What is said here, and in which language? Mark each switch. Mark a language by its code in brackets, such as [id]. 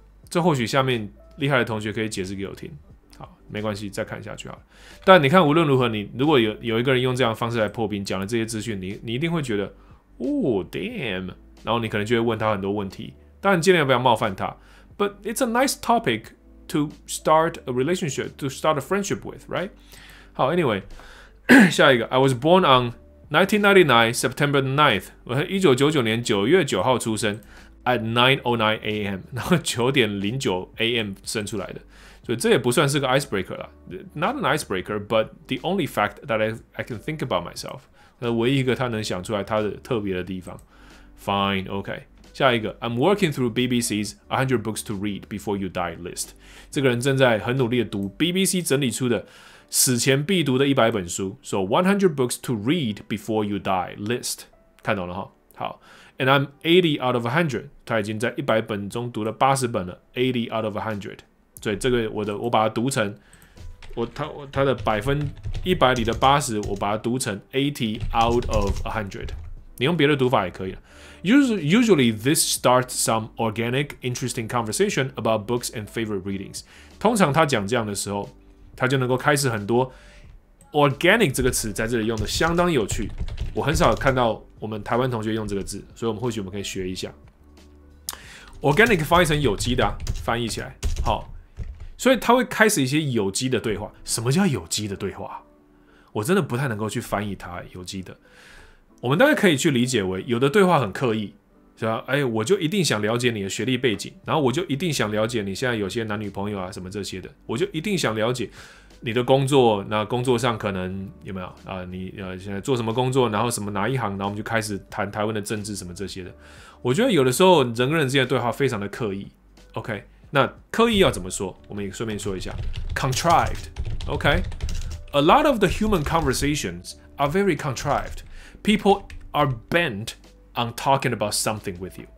[zh] 这或许下面厉害的同学可以解释给我听。好，没关系，再看下去好了。但你看，无论如何，你如果 有一个人用这样的方式来破冰，讲了这些资讯，你一定会觉得，哦 ， [en] damn。 [zh] 然后你可能就会问他很多问题，当然尽量不要冒犯他。 [en] But it's a nice topic to start a relationship, to start a friendship with, right? 好 ，Anyway， [zh] 下一个 [en] ，I was born on 1999 September 9th， [zh] 我是1999年9月9号出生 [en] ，at 9:09 a.m. [zh] 然后9:09 a.m. 生出来的，所以这也不算是个 icebreaker 啦 ， [en] not an icebreaker, but the only fact that I can think about myself， [zh] 唯一一个他能想出来他的特别的地方。 [en] Fine, okay. [zh] 下一个 [en] I'm working through BBC's 100 books to read before you die list. [zh] 这个人正在很努力的读 BBC 整理出的死前必读的100本书 [en] So 100 books to read before you die list. [zh] 看懂了哈？ [en] 好 And I'm 80 out of 100. [zh] 他已经在100本中读了80本了 [en] 80 out of 100. [zh] 所以这个我把它读成他的百分100里的80我把它读成 [en] 80 out of 100 [zh] 你用别的读法也可以。 [en] Usually, this starts some organic, interesting conversation about books and favorite readings. [zh] 通常他讲这样的时候，他就能够开始很多 organic 这个词在这里用的相当有趣。我很少看到我们台湾同学用这个字，所以我们或许我们可以学一下。 Organic 翻译成有机的、啊，翻译起来好。所以他会开始一些有机的对话。什么叫有机的对话？我真的不太能够去翻译它、欸、有机的。我们大概可以去理解为，有的对话很刻意，是吧？哎，我就一定想了解你的学历背景，然后我就一定想了解你现在有些男女朋友啊什么这些的，我就一定想了解你的工作，那工作上可能有没有啊？你现在做什么工作？然后什么哪一行？然后我们就开始谈台湾的政治什么这些的。我觉得有的时候人跟人之间的对话非常的刻意。 OK， 那刻意要怎么说？我们也顺便说一下 ，contrived。 [en] OK， a lot of the human conversations are very contrived. People are bent on talking about something with you.